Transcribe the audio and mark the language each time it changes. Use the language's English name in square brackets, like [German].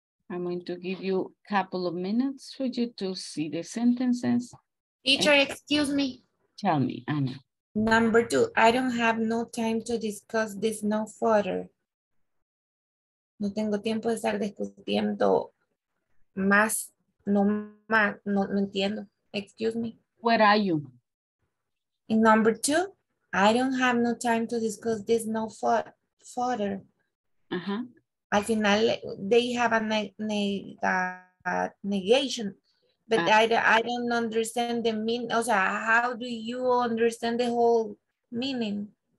[English] I'm going to give you a couple of minutes for you to see the sentences. Teacher, excuse me. Tell me, Anna. Number two, I don't have no time to discuss this no further. [Spanish] No tengo tiempo de estar discutiendo más, no más, no, no entiendo. [English] Excuse me. Where are you? In number two, I don't have no time to discuss this no further. Uh-huh. [Spanish] Al final, [English] they have a negation, but I don't understand the meaning. [Spanish] O sea, [English] how do you understand the whole meaning?